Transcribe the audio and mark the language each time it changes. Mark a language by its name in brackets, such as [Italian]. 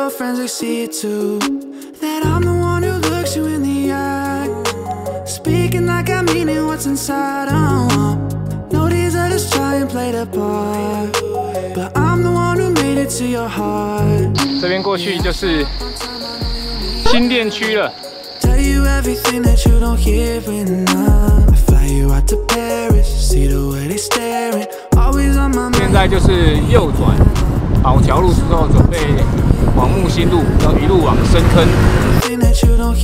[English] All your friends can see it too. That I'm the one who looks you in the eye. Speaking like I'm meaning what's inside. I don't want no these others try and play the part. But I'm the one who made it to your heart. [Chinese] 这边过去就是新店区了。 [English] Tell you everything that you don't hear when I fly you out to Paris. See the way they staring. [Chinese] 现在就是右转宝桥路之后，准备往木星路，要一路往深坑。